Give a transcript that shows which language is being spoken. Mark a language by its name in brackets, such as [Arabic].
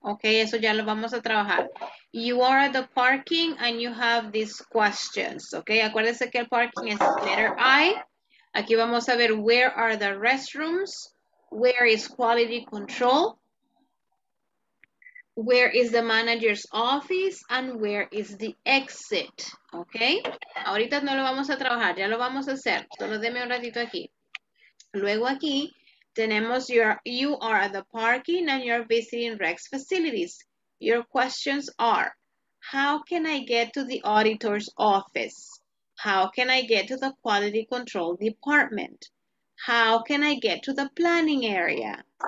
[English] Okay, [Spanish] eso ya lo vamos a trabajar. [English] You are at the parking and you have these questions. Okay, [Spanish] acuérdense que el [English] parking is letter I. [Spanish] Aquí vamos a ver [English] where are the restrooms, where is quality control, where is the manager's office, and where is the exit. [Spanish] Okay, ahorita no lo vamos a trabajar, ya lo vamos a hacer. Solo deme un ratito aquí. Luego aquí. Tenemos, [English] you are at the parking and you're visiting REC's facilities. Your questions are, how can I get to the auditor's office? How can I get to the quality control department? How can I get to the planning area?